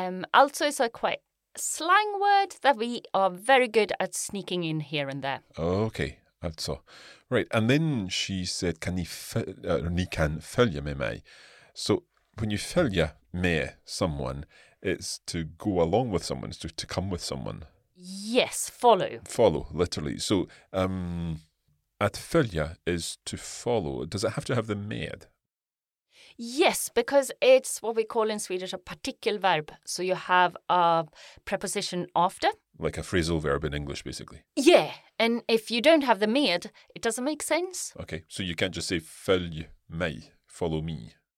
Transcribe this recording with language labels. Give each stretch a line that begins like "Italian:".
English: Alltså is a quite slang word that we are very good at sneaking in here and there. Okay, alltså. Right, and then she said,
Swedish: kan ni kan följa med mig?
English: So when you
Swedish: följa med
English: someone, it's to go along with someone, it's to come with someone. Yes, follow. Follow, literally. So
Swedish: att följa
English: is to follow. Does it have to have the med? Yes, because it's what we call in Swedish a partikelverb. So you have a preposition after. Like a phrasal verb in English, basically. Yeah, and if you don't have the med, it doesn't make sense. Okay, so you can't just say
Swedish: följ mig,
English: follow me.